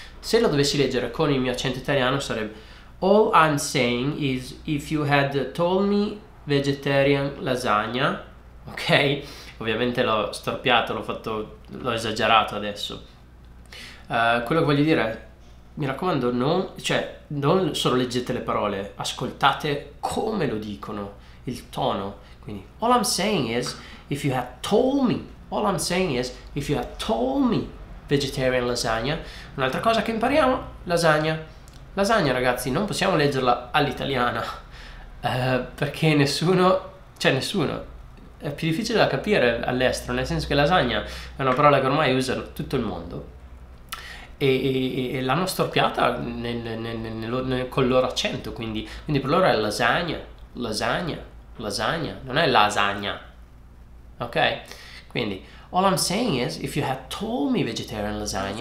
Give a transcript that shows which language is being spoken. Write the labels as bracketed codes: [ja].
[it] Se lo dovessi leggere con il mio accento italiano sarebbe... [en] All I'm saying is if you had told me vegetarian lasagna, ok? [it] Ovviamente l'ho storpiato, l'ho esagerato adesso. Quello che voglio dire è, mi raccomando, non solo leggete le parole, ascoltate come lo dicono, il tono. [en] Quindi, all I'm saying is if you had told me vegetarian lasagna. [it] Un'altra cosa che impariamo, lasagna. Lasagna, ragazzi, non possiamo leggerla all'italiana, perché nessuno, è più difficile da capire all'estero, nel senso che lasagna è una parola che ormai usa tutto il mondo e l'hanno storpiata con il loro accento, quindi per loro è lasagna, non è lasagna, ok? [en] Quindi, all I'm saying is, if you had told me vegetarian lasagna...